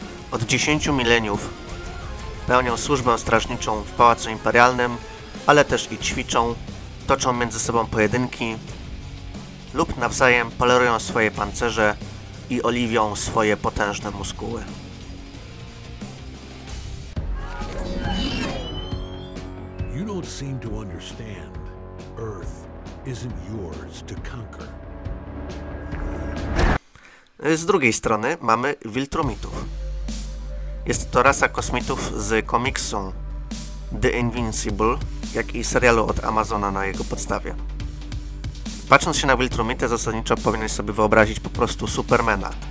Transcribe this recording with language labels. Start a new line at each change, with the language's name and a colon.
Polish: Od 10 mileniów pełnią służbę strażniczą w Pałacu Imperialnym, ale też i ćwiczą, toczą między sobą pojedynki lub nawzajem polerują swoje pancerze i oliwią swoje potężne muskuły.
English: You don't seem to understand. Earth isn't yours to conquer.
Polish: Z drugiej strony mamy Viltrumitów. Jest to rasa kosmitów z komiksu The Invincible, jak i serialu od Amazona na jego podstawie. Patrząc się na Viltrumitę, zasadniczo powinien sobie wyobrazić po prostu Supermana.